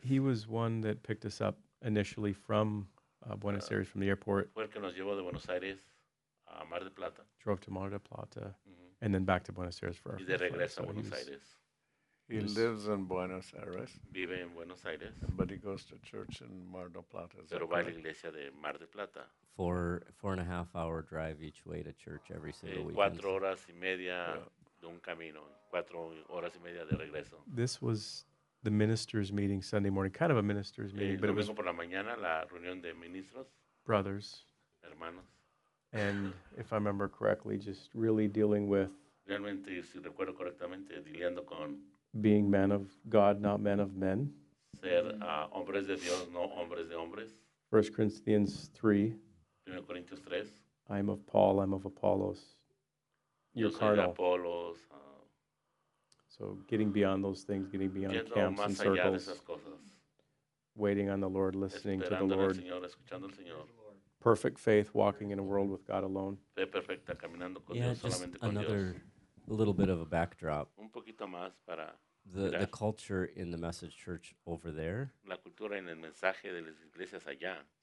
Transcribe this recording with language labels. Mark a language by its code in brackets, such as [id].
[en] He was one that picked us up initially from Buenos Aires, from the airport. [es] Fue el que nos llevó de Buenos Aires a Mar del Plata. [en] Drove to Mar del Plata, mm-hmm. and then back to Buenos Aires for. [es] Y de regreso a Buenos Aires. [en] He lives in Buenos Aires. [es] Vive en Buenos Aires. [en] But he goes to church in Mar del Plata. [es] Pero va a la iglesia de Mar del Plata. [en] Four and a half hour drive each way to church every single weekend. [es] 4 horas y media de un camino. 4 horas y media de regreso. [en] This was the minister's meeting Sunday morning, kind of a minister's meeting, but it was [es] por la mañana, la reunión de ministros. [en] Brothers. [es] Hermanos. [en] And if I remember correctly, just really dealing with [es] realmente, si recuerdo correctamente, dealing con [en] being men of God, not men of men. [es] Ser hombres de Dios, no hombres de hombres. [en] 1 Corinthians 3. [es] 1 Corintios 3. [en] I'm of Paul, I'm of Apollos. You're carnal. [es] Yo soy de Apolos. [en] So getting beyond those things, getting beyond camps and circles. [es] Yendo más allá de esas cosas. [en] Waiting on the Lord, listening to the Lord. [es] Esperando al Señor, escuchando al Señor. [en] Perfect faith, walking in a world with God alone. [es] Fe perfecta, caminando con Dios, solamente con Dios. [en] Yeah, just another little bit of a backdrop. [es] Un poquito más para [en] the culture in the message church over there. [es] La cultura en el mensaje de las iglesias allá.